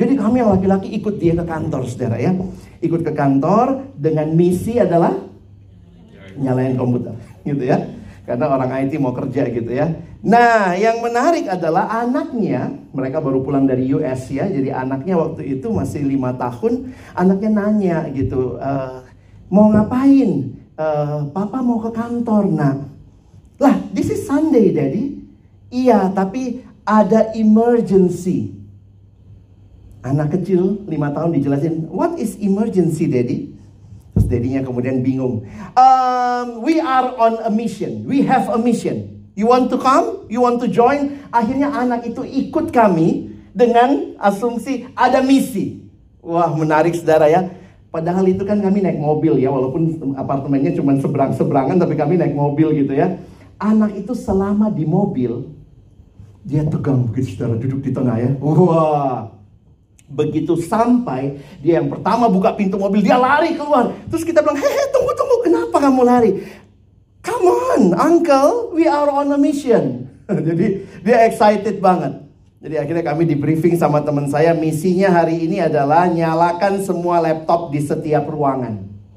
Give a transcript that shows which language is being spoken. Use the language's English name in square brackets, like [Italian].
[Indonesian] Jadi kami yang laki-laki ikut dia ke kantor, Saudara ya. Ikut ke kantor dengan misi adalah nyalain komputer gitu ya. Karena orang IT mau kerja gitu ya. Nah, yang menarik adalah anaknya, mereka baru pulang dari US ya, jadi anaknya waktu itu masih 5 tahun, anaknya nanya gitu, mau ngapain? Papa mau ke kantor, nak. [English] Lah, this is Sunday, Daddy. [Indonesian] Iya, tapi ada emergency. Anak kecil, 5 tahun dijelasin, [English] what is emergency, Daddy? [Indonesian] Terus dadinya kemudian bingung. [English] We are on a mission. We have a mission. You want to come? You want to join? [Indonesian] Akhirnya anak itu ikut kami dengan asumsi ada misi. Wah, menarik, Saudara ya. Padahal itu kan kami naik mobil ya, walaupun apartemennya cuma seberang-seberangan, tapi kami naik mobil gitu ya. Anak itu selama di mobil, dia tegang begitu, Saudara, duduk di tengah ya. Wah. Begitu sampai, dia yang pertama buka pintu mobil, dia lari keluar. Terus kita bilang, hehe, tunggu, kenapa kamu lari? [English] Come on, uncle, we are on a mission. [Indonesian] Jadi, dia excited banget. Jadi, akhirnya kami di-briefing sama teman saya, misinya hari ini adalah nyalakan semua laptop di setiap ruangan.